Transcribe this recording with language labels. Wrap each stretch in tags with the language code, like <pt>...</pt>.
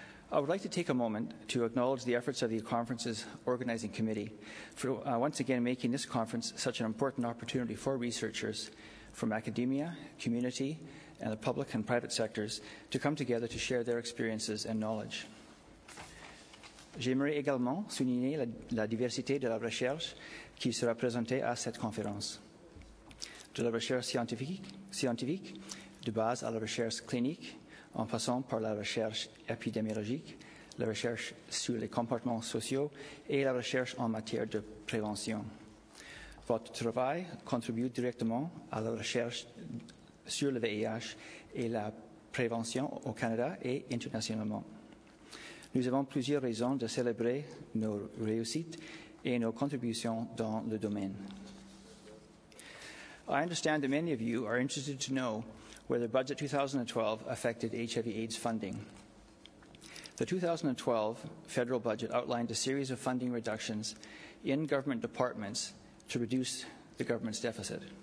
<en>I would like to take a moment to acknowledge the efforts of the conference's organizing committee for once again making this conference such an important opportunity for researchers from academia, community, and the public and private sectors to come together to share their experiences and knowledge.</en> <fr>J'aimerais également souligner la diversité de la recherche qui sera présentée à cette conférence. De la recherche scientifique, de base à la recherche clinique, en passant par la recherche épidémiologique, la recherche sur les comportements sociaux et la recherche en matière de prévention. Votre travail contribue directement à la recherche sur le VIH et la prévention au Canada et internationalement. Nous avons plusieurs raisons de célébrer nos réussites et nos contributions dans le domaine.</fr> <en>I understand that many of you are interested to know whether Budget 2012 affected HIV/AIDS funding. The 2012 federal budget outlined a series of funding reductions in government departments to reduce the government's deficit.</en>